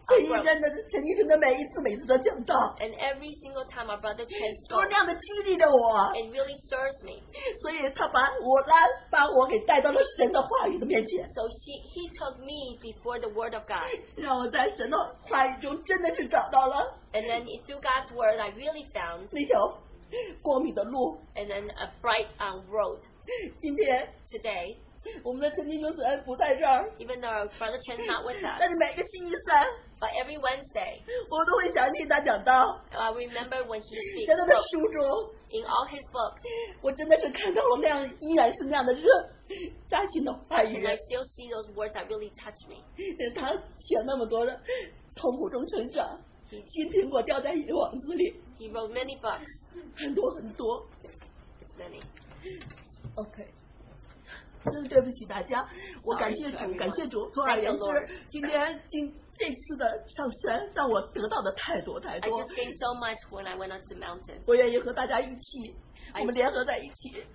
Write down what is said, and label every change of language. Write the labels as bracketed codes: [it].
[zh] 对，认真的，陈医生的每一次都讲到。 [en] And every single time my brother Chen spoke. [zh] 多么样的激励的我！ [en] It really stirs me. [zh] 所以他把我给带到了神的话语的面前。 [en] So he took me before the word of God. [zh] 让我在神的话语中真的是找到了。 [en] And then through God's word, I really found. [zh] 那条光明的路。 [en] And then a bright road. [zh] 今天。 [en] Today. [zh] 我们的陈弟兄虽然不在这儿, [en] even though our brother Chen is not with us, [zh] 但是每个星期三, [en] but every Wednesday, [zh] 我都会想起他讲道, [en] I remember when he speaks [zh] 在他的书中, [en] in all his books. [zh] 我真的是看到了那样,依然是那样的热, 扎心的话语, [en] and I still see those words that really touch me. [zh] 他写那么多的痛苦中成长, 金苹果掉在网子里, [en] he wrote many books. [zh] 很多很多, [en] many. Okay. [zh] 真的对不起大家，我感谢主，感谢主。总而言之，今天这次的上山让我得到的太多太多。 [en] I just gained so much when I went up the mountain. [zh] 我愿意和大家一起，我们联合在一起。